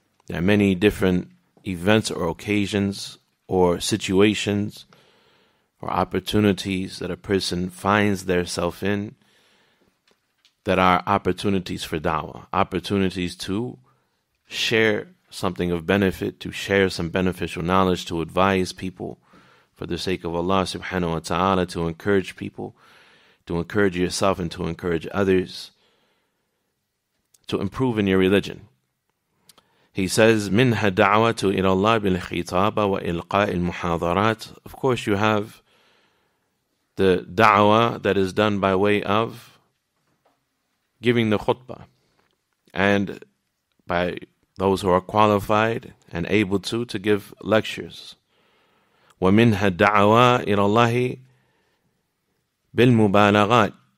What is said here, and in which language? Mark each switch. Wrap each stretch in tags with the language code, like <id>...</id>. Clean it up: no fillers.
<en>There are many different events or occasions or situations or opportunities that a person finds themselves in that are opportunities for da'wah, opportunities to share something of benefit, to share some beneficial knowledge, to advise people for the sake of Allah subhanahu wa ta'ala, to encourage people, to encourage yourself and to encourage others to improve in your religion. He says,</en> <ar>مِنْهَا دَعْوَةُ إِلَى اللَّهِ بِالْخِطَابَ وَإِلْقَاءِ الْمُحَاضَرَاتِ.</ar> <en>Of course you have the da'wah that is done by way of giving the khutbah, and by those who are qualified and able to give lectures.</en> <ar>وَمِنْهَا دَعْوَى إِلَى اللَّهِ بِالْمُبَالَغَاتِ.</ar>